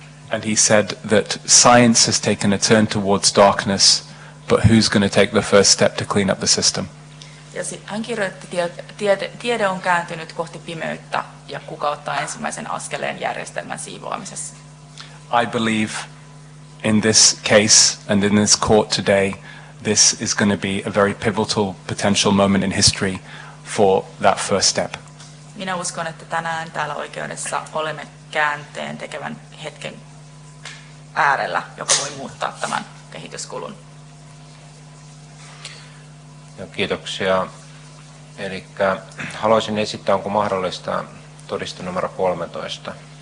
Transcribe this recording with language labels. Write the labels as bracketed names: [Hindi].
[English] And he said that science has taken a turn towards darkness, but who's going to take the first step to clean up the system? [Finnish] Ja hän kirjoitti, tiede on kääntynyt kohti pimeyttä, ja kuka ottaa ensimmäisen askeleen järjestelmän siivoamisessa? [English] I believe in this case and in this court today, this is going to be a very pivotal potential moment in history for that first step. [Finnish] Minä uskon, että tänään täällä oikeudessa olemme käänteen tekevän hetken äärellä, joka voi muuttaa tämän kehityskulun. Ja kiitoksia. Eli haluaisin esittää, onko mahdollista todiste numero 13.